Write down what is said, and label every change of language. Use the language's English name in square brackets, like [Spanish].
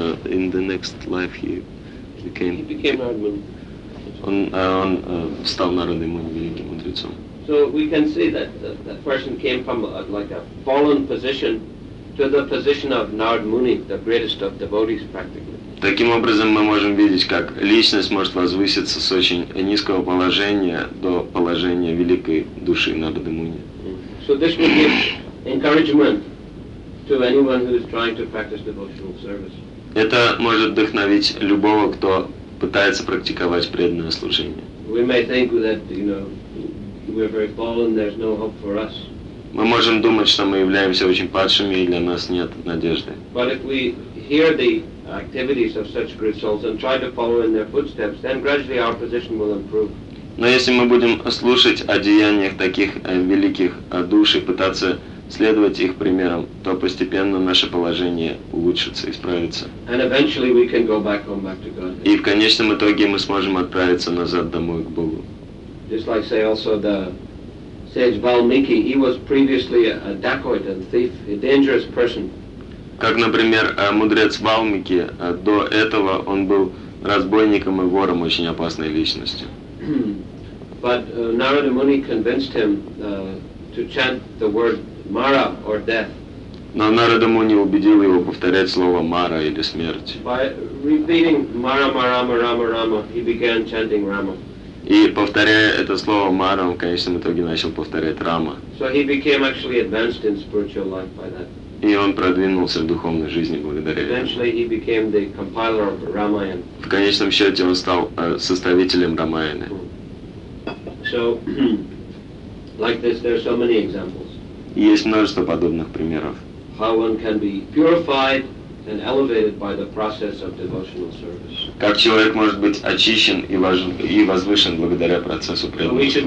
[English] In the next life he became... He became Нарадмуни. [Russian] Он стал Нарадой Муни, великим мудрецом. [English] So we can see that that person came from like a fallen position to the position of Narad Muni, the greatest of devotees practically. [Russian] Таким образом, мы можем видеть, как личность может возвыситься с очень низкого положения до положения великой души Нарада Муни. [English] So this would give encouragement to anyone who is trying to practice devotional service. [Russian] Это может вдохновить любого, кто пытается практиковать преданное служение. [English] We may think that, you know, we're very fallen, there's no hope for us. [Russian] Мы можем думать, что мы являемся очень падшими, и для нас нет надежды. [English] But if we hear the activities of such great souls and try to follow in their footsteps, then gradually our position will improve. [Russian] Но если мы будем слушать о деяниях таких великих душ и пытаться следовать их примерам, то постепенно наше положение улучшится, исправится. [English] And eventually we can go back home, back to God. [Russian] И в конечном итоге мы сможем отправиться назад домой к Богу. [English] Just like say also the sage Valmiki, he was previously a dacoit and thief, a dangerous person. [Russian] Как, например, мудрец Валмики, до этого он был разбойником и вором, очень опасной личностью. [English] But Narada Muni convinced him to chant the word Mara or death. [Russian] Но Нарада Муни убедил его повторять слово Мара или смерть. [English] By repeating Mara Mara Mara Mara, he began chanting Rama. [Russian] И повторяя это слово Мара, он в конечном итоге начал повторять Рама. [English] So he became actually advanced in spiritual life by that. [Russian] И он продвинулся в духовной жизни благодаря [English] Eventually [Russian] этому. [English] He became the compiler of Ramayana. [Russian] В конечном счете он стал составителем Рамаяны. [English] So, like this, there are so many examples. [Russian] И есть множество подобных примеров. [English] How one can be purified and elevated by the process of devotional service. [Russian] Как человек может быть очищен и, важен, и возвышен благодаря процессу преданного